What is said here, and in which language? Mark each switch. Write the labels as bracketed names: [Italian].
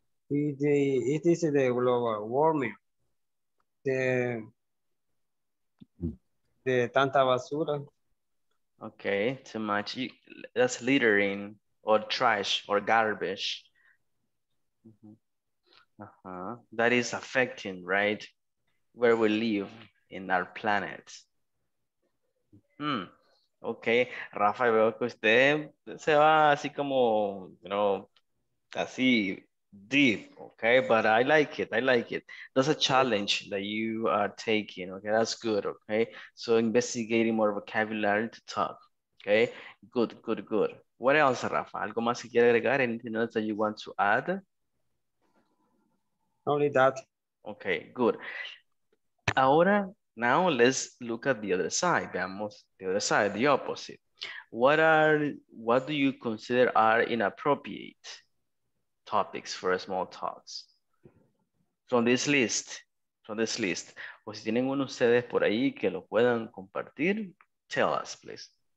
[English] It is the global warming. The [Spanish] tanta basura. [English] Okay, too much. That's littering or trash or garbage. Uh-huh. That is affecting, right, where we live in our planet. Hmm. [Spanish] Okay, Rafa, veo que usted se va así como, así deep, okay? [English] But I like it. That's a challenge that you are taking, okay? That's good, okay? So investigating more vocabulary to talk, okay? Good. What else, Rafa? [Spanish] ¿Algo más que quiere agregar? [English] Anything else that you want to add? Only that. Okay, good. [Spanish] Ahora, [English] now let's look at the other side. [Spanish] Veamos [English] the other side, the opposite. What do you consider are inappropriate topics for small talks? From this list. [Spanish] O si tienen uno ustedes por ahí que lo puedan compartir, [English] tell us, please.